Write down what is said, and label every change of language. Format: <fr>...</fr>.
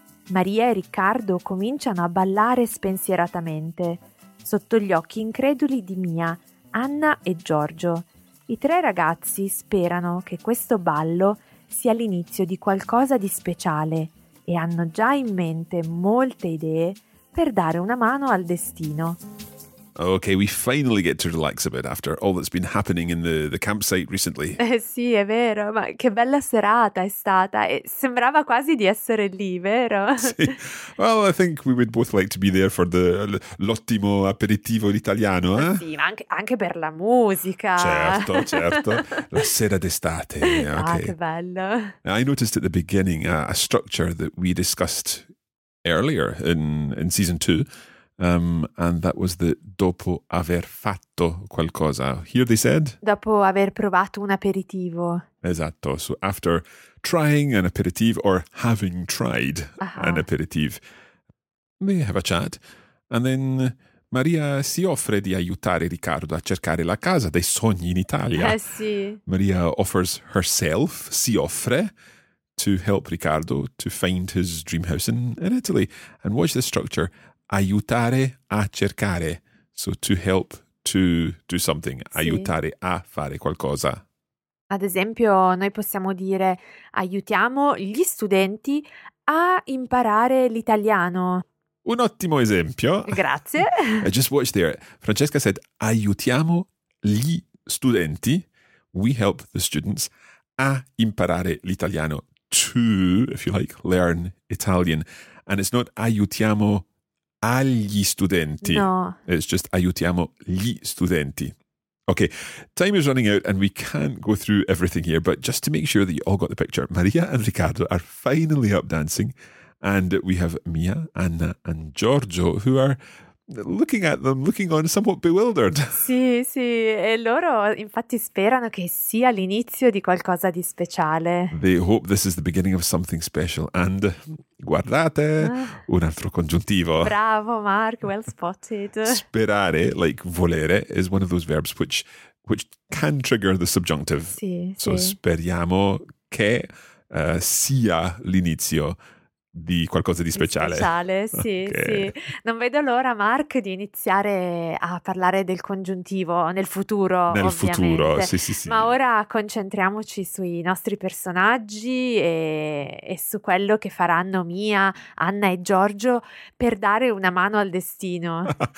<it>Maria e Riccardo cominciano a ballare spensieratamente, sotto gli occhi increduli di Mia, Anna e Giorgio. I tre ragazzi sperano che questo ballo sia l'inizio di qualcosa di speciale e hanno già in mente molte idee per dare una mano al destino.</it> <en>Okay, we finally get to relax a bit after all that's been happening in the campsite recently.</en> <it>Sì, è vero, ma che bella serata è stata. Sembrava quasi di essere lì, vero? Sì.</it> <en>Well, I think we would both like to be there for</en> <it>l'ottimo aperitivo italiano,</it> <en>eh?</en> <it>Sì, ma anche per la musica. Certo, certo. La sera d'estate. Okay. Ah, che bello.</it> <en>I noticed at the beginning a structure that we discussed earlier in season 2. And that was the</en> <it>dopo aver fatto qualcosa.</it> <en>Here they said?</en> <it>Dopo aver provato un aperitivo. Esatto.</it> <en>So after trying an aperitivo or having tried an aperitivo, they have a chat. And then</en> <it>Maria si offre di aiutare Riccardo a cercare la casa dei sogni in Italia. Sì.</it> <en>Maria offers herself,</en> <it>si offre,</it> <en>to help Riccardo to find his dream house in Italy. And watch the structure.</en> <it>Aiutare a cercare,</it> <en>so to help to do something, sì.</en> <it>Aiutare a fare qualcosa. Ad esempio, noi possiamo dire aiutiamo gli studenti a imparare l'italiano. Un ottimo esempio. Grazie.</it> <en>I just watch there. Francesca said</en> <it>aiutiamo gli studenti,</it> <en>we help the students,</en> <it>a imparare l'italiano,</it> <en>to, if you like, learn Italian. And it's not</en> <it>aiutiamo agli studenti.</it> <en>No. It's just</en> <it>aiutiamo gli studenti.</it> <en>Okay, time is running out and we can't go through everything here, but just to make sure that you all got the picture, Maria and Riccardo are finally up dancing and we have Mia, Anna and Giorgio who are looking at them, looking on somewhat bewildered.</en> <it>Sì, sì, e loro infatti sperano che sia l'inizio di qualcosa di speciale.</it> <en>They hope this is the beginning of something special.</en> <it>And guardate, un altro congiuntivo.</it> <en>Bravo, Mark, well spotted. Sperare, like volere, is one of those verbs which can trigger the subjunctive.</en> <it>Sì,</it> <en>so</en> <it>sì. Speriamo che sia l'inizio di qualcosa di speciale. Speciale, sì, okay. Sì. Non vedo l'ora, Mark, di iniziare a parlare del congiuntivo nel futuro, nel ovviamente. Futuro, sì, sì, sì. Ma ora concentriamoci sui nostri personaggi e su quello che faranno Mia, Anna e Giorgio per dare una mano al destino.</it>